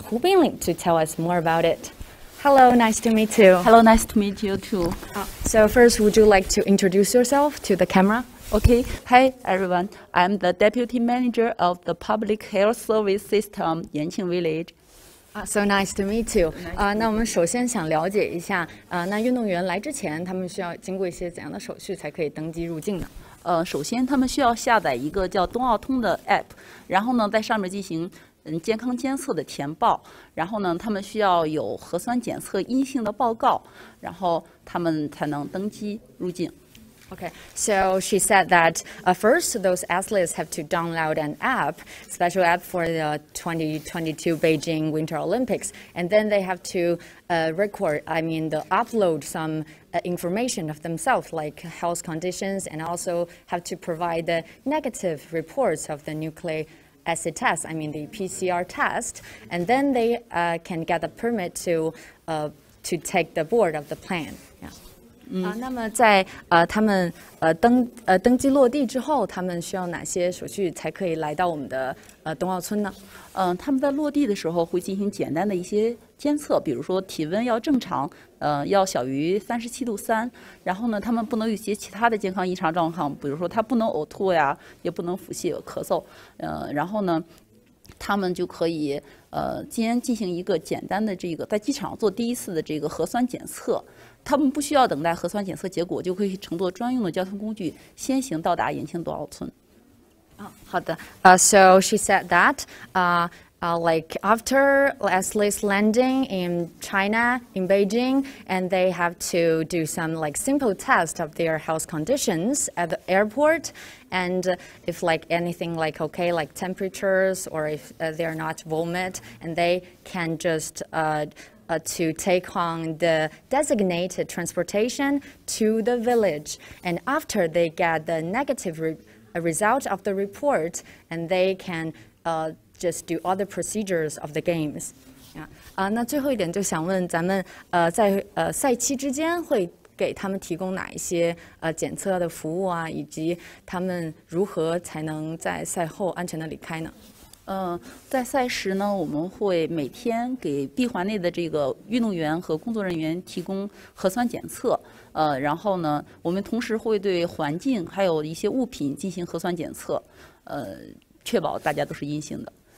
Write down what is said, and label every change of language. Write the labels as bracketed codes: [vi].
[en] Hu Bingling to tell us more about it. Hello, nice to meet you. Hello, nice to meet you too. So first, would you like to introduce yourself to the camera? Okay, hi everyone. I'm the deputy manager of the public health service system, Yanqing Village. So nice to meet you. [zh] 那我们首先想了解一下，那运动员来之前，他们需要经过一些怎样的手续才可以登机入境呢？首先他们需要下载一个叫冬奥通的 app， 然后呢，在上面进行健康监测的填报，然后呢，他们需要有核酸检测阴性的报告，然后他们才能登机入境。 [en] Okay, so she said that first those athletes have to download an app, special app for the 2022 Beijing Winter Olympics, and then they have to upload some information of themselves, like health conditions, and also have to provide the negative reports of the nucleic acid test, the PCR test, and then they can get the permit to take the board of the plane. Yeah. [zh] 那么在他们登机落地之后，他们需要哪些手续才可以来到我们的冬奥村呢？他们在落地的时候会进行简单的一些监测，比如说体温要正常，要小于37.3度，然后呢，他们不能有一些其他的健康异常状况，比如说他不能呕吐呀，也不能腹泻、咳嗽，然后呢，他们就可以先进行一个简单的这个在机场做第一次的这个核酸检测。他们不需要等待核酸检测结果，就可以乘坐专用的交通工具先行到达延庆冬奥村。好的。 [en] So she said that after athletes landing in China, in Beijing, and they have to do some simple test of their health conditions at the airport, and if anything temperatures, or if they're not vomit, and they can just to take on the designated transportation to the village. And after they get the negative result of the report, and they can just do other procedures of the games. Yeah. [zh] 那最后一点就想问咱们在赛期之间会给他们提供哪一些检测的服务啊，以及他们如何才能在赛后安全的离开呢？在赛时呢，我们会每天给闭环内的这个运动员和工作人员提供核酸检测，然后呢，我们同时会对环境还有一些物品进行核酸检测，确保大家都是阴性的。